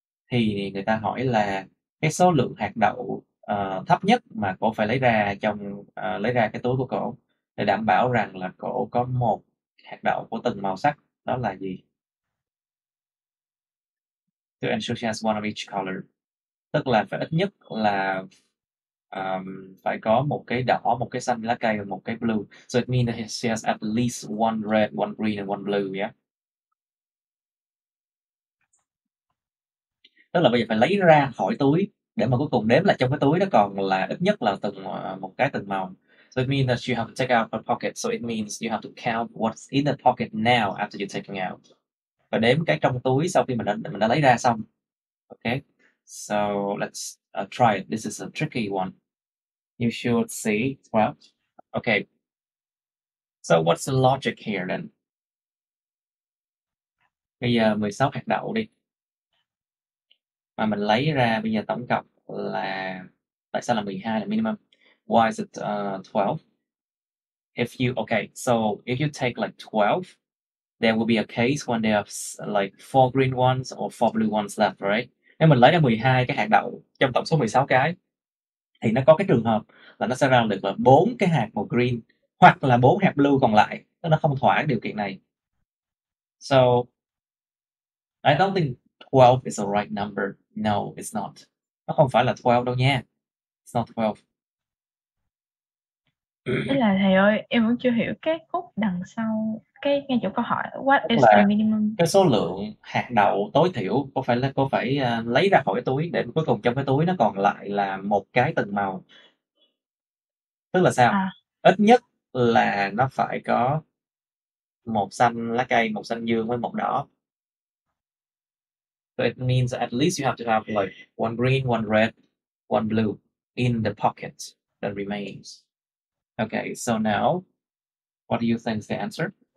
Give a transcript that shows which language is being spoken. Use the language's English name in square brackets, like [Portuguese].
[Vietnamese] Thì người ta hỏi là cái số lượng hạt đậu thấp nhất mà cậu phải lấy ra trong lấy ra cái túi của cậu để đảm bảo rằng là cậu có một hạt đậu của từng màu sắc, đó là gì? [English] To ensure she has one of each color. [Vietnamese] Tức là phải ít nhất là phải có một cái đỏ, một cái xanh lá cây và một cái blue. [English] So it means that she has at least one red, one green and one blue, yeah? [Vietnamese] Tức là bây giờ phải lấy ra khỏi túi để mà cuối cùng đếm là trong cái túi đó còn là ít nhất là từng một cái từng màu. [English] So it means that you have to take out her pocket. So it means you have to count what's in the pocket now after you're taking out. [Vietnamese] Và đếm cái trong túi sau khi mình đã lấy ra xong. [English] Okay. So let's try it. This is a tricky one. You should see. Well, okay. So what's the logic here then? [Vietnamese] Bây giờ 16 hạt đậu đi. Mà mình lấy ra bây giờ tổng cộng là... Tại sao là 12 là minimum? [English] Why is it 12? If you, okay, so if you take like 12, there will be a case when there are like 4 green ones or 4 blue ones left, right? [Vietnamese] Nếu mình lấy ra 12 cái hạt đậu trong tổng số 16 cái, thì nó có cái trường hợp là nó sẽ ra được là 4 cái hạt màu green hoặc là 4 hạt blue còn lại. Tức nó không thỏa điều kiện này. [English] So, I don't think 12 is the right number. No, it's not. [Vietnamese] Nó không phải là 12 đâu nha. [English] It's not 12. [Vietnamese] Thế là thầy ơi, em vẫn chưa hiểu cái khúc đằng sau cái ngay chỗ câu hỏi [English] what is the minimum, [Vietnamese] cái số lượng hạt đậu tối thiểu cô phải lấy ra khỏi cái túi để cuối cùng trong cái túi nó còn lại là một cái từng màu, tức là sao? Ít nhất là nó phải có một xanh lá cây, một xanh dương với một đỏ. [English] So it means at least you have to have like one green, one red, one blue in the pocket that remains. Okay, so now, what do you think is the answer?